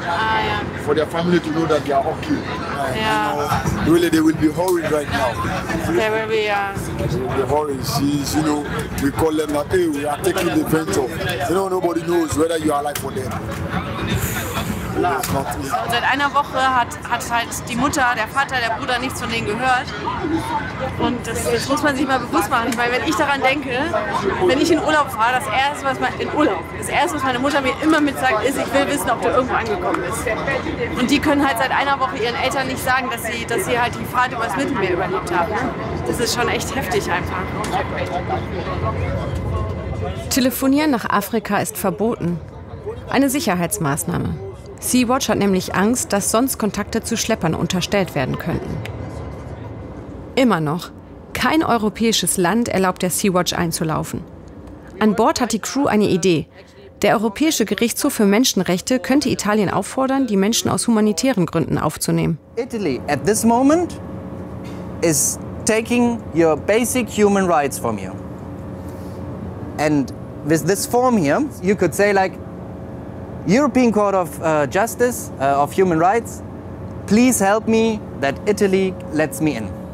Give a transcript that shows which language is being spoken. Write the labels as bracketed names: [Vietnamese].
[English] Ah, yeah. For their family to know that they are okay. Yeah. Really, they will be worried right now. They will be, yeah. The horrors, you know, we call them that, hey, we are taking the venture. You know, nobody knows whether you are alive or dead. [German] Seit einer Woche hat halt die Mutter, der Vater, der Bruder nichts von denen gehört. Und das muss man sich mal bewusst machen, weil wenn ich daran denke, wenn ich in Urlaub fahre, das erste, was meine Mutter mir immer mit sagt, ist, ich will wissen, ob du irgendwo angekommen bist. Und die können halt seit einer Woche ihren Eltern nicht sagen, dass sie halt die Fahrt übers Mittelmeer überlebt haben. Das ist schon echt heftig einfach. Telefonieren nach Afrika ist verboten. Eine Sicherheitsmaßnahme. Sea-Watch hat nämlich Angst, dass sonst Kontakte zu Schleppern unterstellt werden könnten. Immer noch. Kein europäisches Land erlaubt der Sea-Watch einzulaufen. An Bord hat die Crew eine Idee. Der Europäische Gerichtshof für Menschenrechte könnte Italien auffordern, die Menschen aus humanitären Gründen aufzunehmen. [English] Italy at this moment is taking your basic human rights from you. And with this form here, you could say like, European Court of Justice, of Human Rights, please help me that Italy lets me in.